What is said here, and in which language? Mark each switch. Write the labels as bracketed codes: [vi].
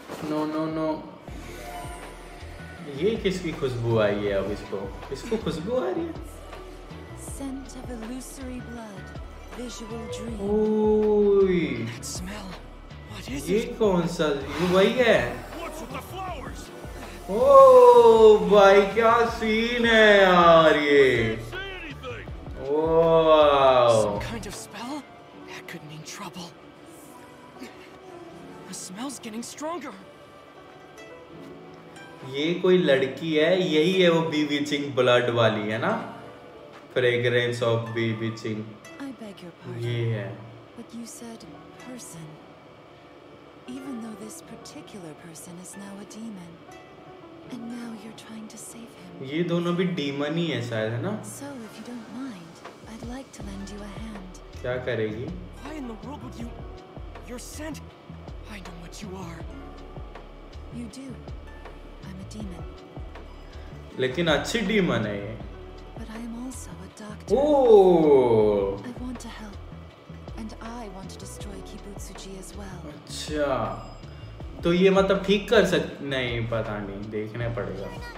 [hi] No ये किसकी खुशबू आई है अब इसको, इसको खुशबू आ रही है। [en] Scent of illusory blood, visual dream. ओए that smell, what is ये it? [hi] कौन सा, ये वही है। ओ भाई क्या सीन है यार ये। [en] Wow. Some kind of spell? That could mean trouble. The smell's getting stronger. [hi] ये कोई लड़की है, यही है वो [en] bewitching blood [hi] वाली है ना? [en] Fragrance of bewitching. I beg your pardon. [hi] ये है. [en] But you said person. Even though this particular person is now a demon. And now you're trying to save him. [hi] ये दोनों भी demon ही है शायद है ना? [en] So if you don't mind. I'd like to lend you a hand. [hi] क्या करेगी? [en] Why in the world would you? Your scent? I know what you are. You do. I'm a demon. [hi] लेकिन अच्छी demon है ये. [en] But I am also a doctor. Oh! I want to help. And I want to destroy Kibutsuji as well. [hi] अच्छा. तो ये मतलब ठीक कर सक, नहीं पता नहीं, देखना पड़ेगा.